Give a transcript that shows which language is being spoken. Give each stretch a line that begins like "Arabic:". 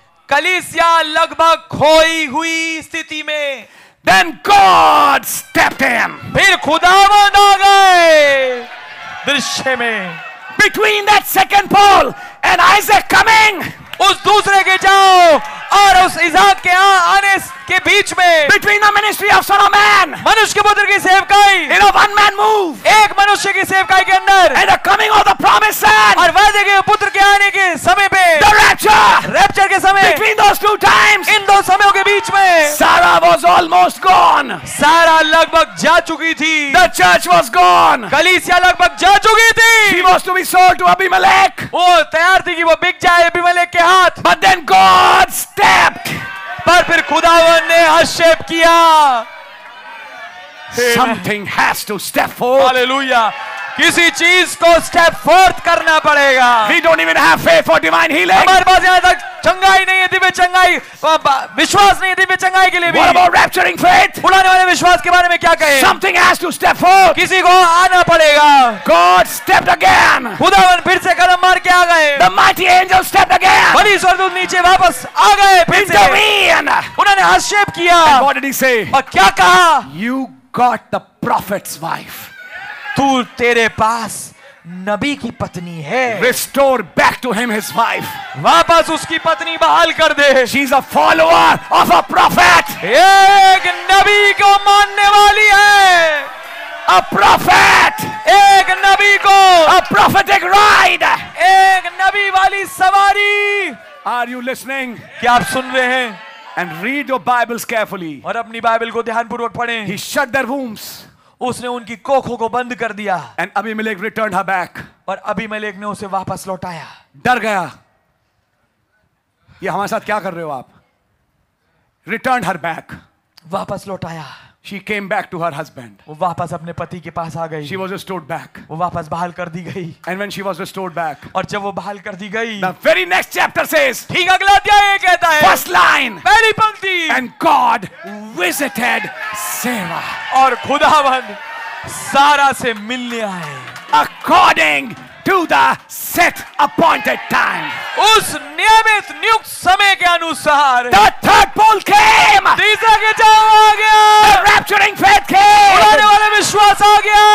Hindi: कलीसिया लगभग खोई हुई स्थिति में.
English: Then God stepped in.
Hindi: फिर खुदावंद आ गए दृश्य में.
English: Between that second Paul and Isaac coming.
Hindi: उस दूसरे के जाओ और उस इज़ाक के आने के बीच में.
English: Between the ministry of Son of Man.
Hindi: मनुष्य के पुत्र की सेवकाई.
English: In a one man move.
Hindi: एक मनुष्य की सेवकाई के अंदर.
English: And the coming of the promised son.
Hindi: और वादे के पुत्र के आने के समय पे.
English: The rapture.
Hindi: रैप्चर के समय.
English: Between those two times.
Hindi: इन दो समयों के बीच में.
English: Sarah was almost gone.
Hindi: सारा लगभग जा चुकी थी.
English: The church was gone.
Hindi: कलीसिया लगभग जा चुकी थी.
English: She was to be sold to Abimelech.
Hindi: वो तैयार थी कि वो बिक जाए अबीमेलेक के हाथ.
English: But then God stepped.
Hindi: पर फिर खुदावन ने हस्तक्षेप किया.
English: Something has to step forth. Hallelujah.
Hindi: किसी चीज को
English: step forth
Hindi: करना पड़ेगा.
English: We don't even have faith for divine healing.
Hindi: हमारे पास यहाँ तक चंगाई नहीं है दिव्य चंगाई. विश्वास नहीं है दिव्य चंगाई के लिए भी.
English: What about rapturing faith?
Hindi: उड़ाने वाले विश्वास के बारे में क्या कहें?
English: Something has to step forth.
Hindi: किसी को आना पड़ेगा.
English: God stepped again.
Hindi: खुदावन फिर से कदम मार के आ गए.
English: The mighty angel stepped again.
Hindi: बड़ी स्वर्गदूत नीचे वापस आ गए. फिर से उन्होंने हस्तक्षेप किया.
English: And what did he say?
Hindi: और क्या कहा?
English: You got the prophet's wife.
Hindi: तू तेरे पास नबी की पत्नी है.
English: Restore back to him his wife.
Hindi: वापस उसकी पत्नी बहाल कर दे.
English: She's a follower of a prophet.
Hindi: एक नबी को मानने वाली है.
English: A prophet.
Hindi: एक नबी को.
English: A prophetic ride.
Hindi: एक नबी वाली सवारी.
English: Are you listening?
Hindi: क्या आप सुन रहे हैं?
English: And read your Bibles carefully.
Hindi: और अपनी बाइबल को ध्यानपूर्वक पढ़ें.
English: He shut their wombs.
Hindi: उसने उनकी कोखों को बंद कर दिया.
English: And Abimelech returned her back.
Hindi: और अबीमेलेक ने उसे वापस लौटाया. डर गया. ये हमारे साथ क्या कर रहे हो आप?
English: Returned her back.
Hindi: वापस लौटाया.
English: She came back to her husband.
Hindi: वो वापस अपने पति के पास आ गई.
English: She was restored back.
Hindi: वो वापस बहाल कर दी गई.
English: And when she was restored back.
Hindi: और जब वो बहाल कर दी गई.
English: The very next chapter says.
Hindi: ठीक अगला अध्याय कहता है.
English: First line.
Hindi: पहली पंक्ति.
English: And God visited Sarah.
Hindi: और खुदावंद सारा से मिलने आए.
English: According to the set appointed time.
Hindi: उस नियमित नियुक्त समय के अनुसार.
English: The third Paul came.
Hindi: तीसरा के जाओ आ गया.
English: The rapturing faith came.
Hindi: उड़ाने वाले विश्वास आ गया.